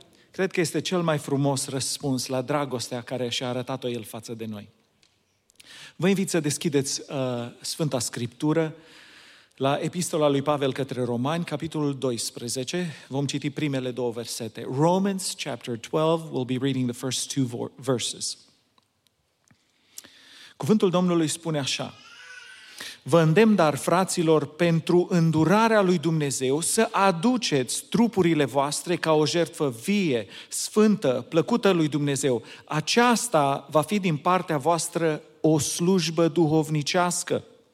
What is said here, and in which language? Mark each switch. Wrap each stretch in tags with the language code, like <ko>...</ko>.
<ro>cred că este cel mai frumos răspuns la dragostea care și-a arătat-o El față de noi. Vă invit să deschideți Sfânta Scriptură la Epistola lui Pavel către Romani, capitolul 12. Vom citi primele două versete.</ro> <en>Romans chapter 12, we'll be reading the first two verses.</en> <ro>Cuvântul Domnului spune așa: vă îndemn, dar, fraților, pentru îndurarea lui Dumnezeu, să aduceți trupurile voastre ca o jertfă vie, sfântă, plăcută lui Dumnezeu. Aceasta va fi din partea voastră o slujbă duhovnicească.</ro>